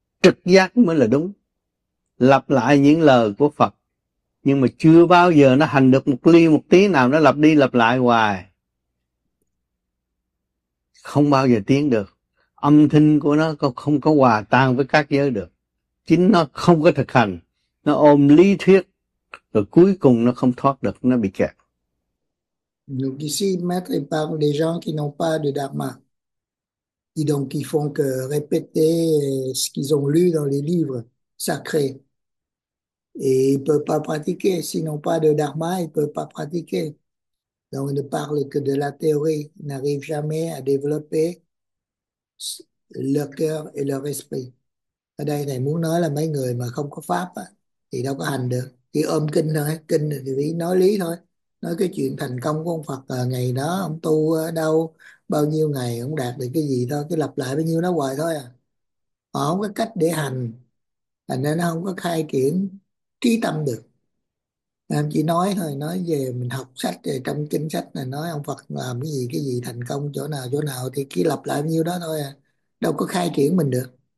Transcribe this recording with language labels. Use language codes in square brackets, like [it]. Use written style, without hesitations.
[vi] Trực giác mới là đúng. Lặp lại những lời của Phật, nhưng mà chưa bao giờ nó hành được một ly một tí nào, nó lặp đi lặp lại hoài, không bao giờ tiến được. Âm thanh của nó không có hòa tan với các giới được. Chính nó không có thực hành, nó ôm lý thuyết, rồi cuối cùng nó không thoát được, nó bị kẹt. [fr] Donc ici, Maître parle des gens qui n'ont pas de dharma. Et donc, ils font que répéter ce qu'ils ont lu dans les livres sacrés. Et ils ne peuvent pas pratiquer. S'ils n'ont pas de dharma, ils ne peuvent pas pratiquer. Donc, ils ne parlent que de la théorie. Ils n'arrivent jamais à développer leur cœur et leur esprit. [vi] Ở đây, thầy muốn nói là mấy người mà không có pháp thì đâu có hành được. Chỉ ôm kinh thôi. Kinh thì chỉ nói lý thôi. Nói cái chuyện thành công của ông Phật à, ngày đó ông tu đâu bao nhiêu ngày ông đạt được cái gì thôi, cái lặp lại bao nhiêu nó hoài thôi à, họ không có cách để hành, thành ra nó không có khai triển trí tâm được, em chỉ nói thôi, nói về mình học sách về trong kinh sách này nói ông Phật làm cái gì thành công chỗ nào thì cứ lặp lại bao nhiêu đó thôi à, đâu có khai triển mình được.